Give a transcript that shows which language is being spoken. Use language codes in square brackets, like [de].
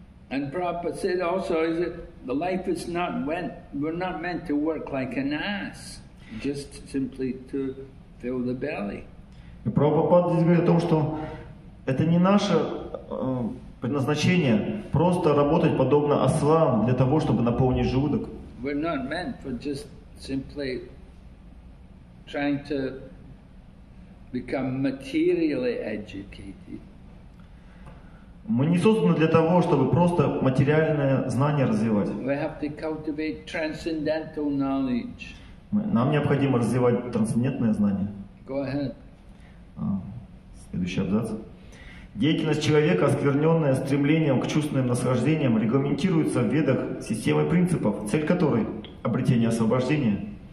[en] And Prabhupada said also, is it the life is not meant, we're not meant to work like an ass, just simply to fill the belly. [ru] И Прабхупада здесь говорит о том, что это не наше предназначение просто работать подобно ослам для того, чтобы наполнить желудок. [en] We're not meant for just simply trying to become materially educated. [ru] Мы не созданы для того, чтобы просто материальное знание развивать. [en] We have to cultivate transcendental knowledge. [ru] Нам необходимо развивать трансцендентное знание. [en] Go ahead. [ru] Следующий абзац. Деятельность человека, оскверненная стремлением к чувственным наслаждениям, регламентируется в ведах системой принципов, цель которой – обретение освобождения.